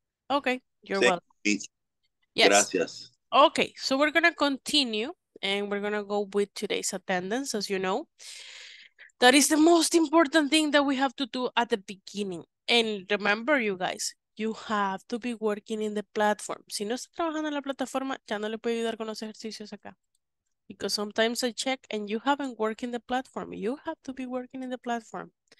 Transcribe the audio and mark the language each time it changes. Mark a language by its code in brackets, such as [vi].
[en] Okay, you're thank welcome. Yes. Gracias. Okay, so we're gonna continue, and we're gonna go with today's attendance, as you know. That is the most important thing that we have to do at the beginning. And remember, you guys, you have to be working in the platform. [es] Si no está trabajando en la plataforma, ya no le puedo ayudar con los ejercicios acá. [en] Because sometimes I check and you haven't worked in the platform. You have to be working in the platform.